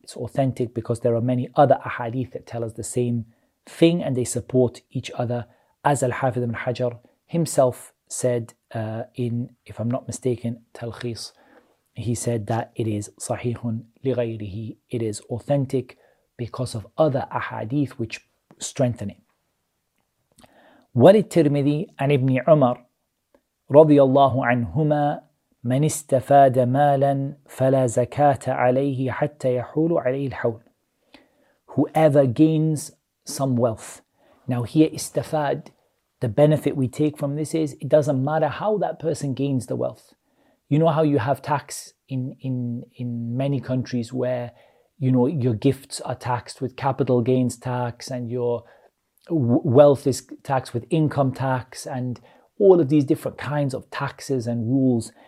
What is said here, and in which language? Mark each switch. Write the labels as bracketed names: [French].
[English] It's authentic because there are many other ahadith that tell us the same thing, and they support each other, as Al-Hafidh Ibn Hajar himself said in, if I'm not mistaken, Talkhis. He said that it is sahihun li ghayrihi. It is authentic because of other ahadith which strengthen it. [Arabic] Walid Tirmidhi and Ibn Umar radiyallahu anhuma, من استفاد مالا فلا زكاة عليه حتى يحول عليه الحول. [English] Whoever gains some wealth. Now here, استفاد, the benefit we take from this is, it doesn't matter how that person gains the wealth. You know how you have tax in many countries where, you know, your gifts are taxed with capital gains tax, and your wealth is taxed with income tax, and all of these different kinds of taxes and rules.